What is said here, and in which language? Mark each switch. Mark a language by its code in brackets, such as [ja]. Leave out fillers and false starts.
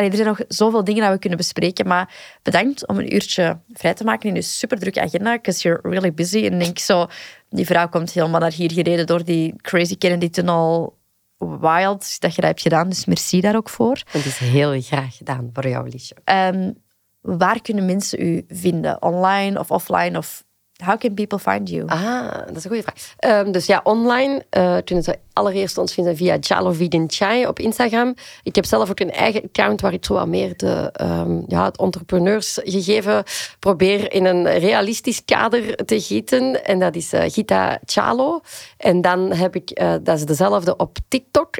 [nl] Allee, er zijn nog zoveel dingen dat we kunnen bespreken, maar bedankt om een uurtje vrij te maken in uw superdrukke agenda, [en] because you're really busy. [nl] En denk zo, die vrouw komt helemaal naar hier gereden door die crazy Kennedy Tunnel. Wild, dat je dat hebt gedaan, dus merci daar ook voor. Het is heel graag gedaan voor jou, Liesje. Waar kunnen mensen u vinden? Online of offline of... [en] How can people find you? [nl] Ah, dat is een goede vraag. Online kunnen ze allereerst ons vinden via Chalo Videnchai op Instagram. Ik heb zelf ook een eigen account waar ik zo wat meer de, het entrepreneursgegeven probeer in een realistisch kader te gieten. En dat is Gita Chalo. En dan heb ik, dat is dezelfde op TikTok.